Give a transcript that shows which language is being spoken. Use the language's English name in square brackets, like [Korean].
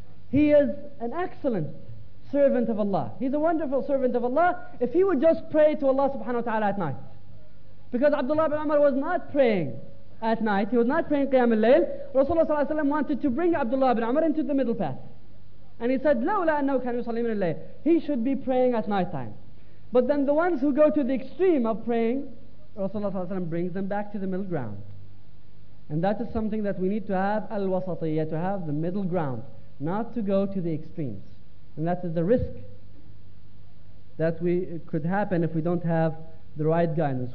[English] He is an excellent servant of Allah. He's a wonderful servant of Allah. If he would just pray to Allah subhanahu wa ta'ala at night. Because Abdullah ibn Umar was not praying at night. He was not praying Qiyam al-Layl. Rasulullah ﷺ wanted to bring Abdullah ibn Umar into the middle path. And he said, [Arabic] لَوْلَا أَنَّهُ كَانُ يُصَلِّي مِنَ اللَّيْلِ. [English] He should be praying at night time. But then the ones who go to the extreme of praying, Rasulullah ﷺ brings them back to the middle ground. And that is something that we need to have, الْوَسَطِيَّةِ, to have the middle ground. Not to go to the extremes. And that is the risk that we could happen if we don't have the right guidance.